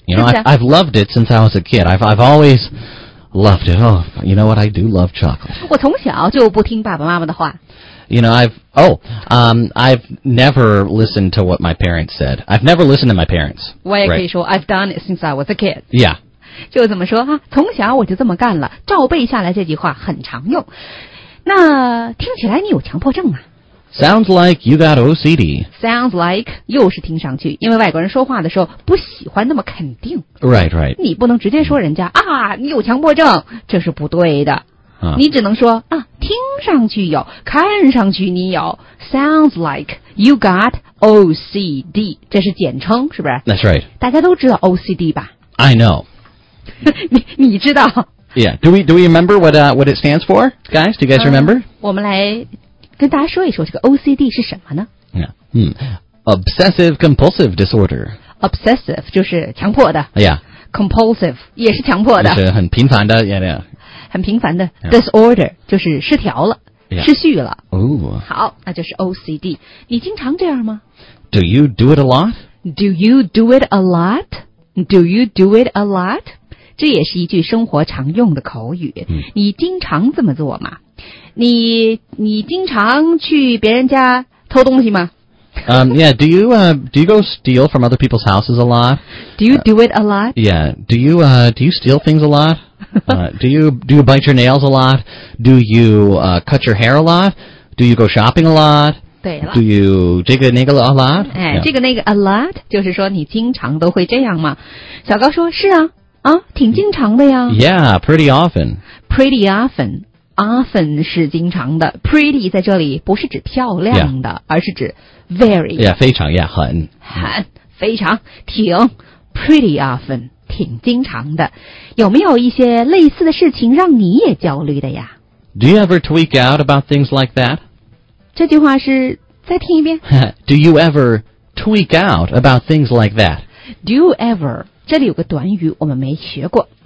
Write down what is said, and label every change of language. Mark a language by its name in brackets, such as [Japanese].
[English] You know, I've loved it since I was a kid. I've always loved it. Oh, you know what? I do love chocolate. [Chinese] 我从小就不听爸爸妈妈的话。 [English] You know, I've never listened to what my parents said. I've never listened to my parents. [Chinese] 我也可以说 [English] I've done it since I was a kid. Yeah. [Chinese] 就怎么说啊？从小我就这么干了。照背下来这句话很常用。那听起来你有强迫症啊？ [English] Sounds like you got OCD. Sounds like [Chinese] 又是听上去，因为外国人说话的时候不喜欢那么肯定。 [English] Right, right. [Chinese] 你不能直接说人家啊，你有强迫症，这是不对的。你只能说啊，听上去有，看上去你有。 [English] Sounds like you got OCD. [Chinese] 这是简称，是不是 [English] ？That's right. [Chinese] 大家都知道 OCD 吧 [English] ？I know. [Chinese] 你知道 [English] ？Yeah. Do we remember what it stands for, guys? Do you guys remember? [Chinese] 我们来。跟大家说一说这个 OCD 是什么呢？ [English] Obsessive compulsive disorder. [Chinese] Obsessive 就是强迫的。 [English] Yeah. [Chinese] Compulsive 也是强迫的。是很频繁的。Yeah, yeah. 很频繁的。Yeah. Disorder 就是失调了。 [English] Yeah. [Chinese] 失序了。 Ooh. 好，那就是 OCD。你经常这样吗？ [English] Do you do it a lot? Do you do it a lot? Do you do it a lot? [Chinese] 这也是一句生活常用的口语。你经常这么做吗？你经常去别人家偷东西吗？ [English] Yeah. Do you go steal from other people's houses a lot? Do you do it a lot? Yeah. Do you steal things a lot? Do you bite your nails a lot? Do you cut your hair a lot? Do you go shopping a lot? [Chinese] 对了。 [English] Do you [Chinese] 这个那个 [English] a lot? [Chinese] 哎， [English] yeah. [Chinese] 这个那个 a lot 就是说你经常都会这样吗？小高说是啊，啊，挺经常的呀。 [English] Yeah. Pretty often. Pretty often. [Chinese] Often 是经常的 ，pretty 在这里不是指漂亮的， yeah. 而是指 very， yeah, 非常 yeah, 很，很非常挺 [English] pretty often [Chinese] 挺经常的。有没有一些类似的事情让你也焦虑的呀 [English] ？Do you ever tweak out about things like that？ [Chinese] 这句话是再听一遍。 [English] Do you ever tweak out about things like that？Do you ever？ [Chinese] 这里有个短语我们没学过，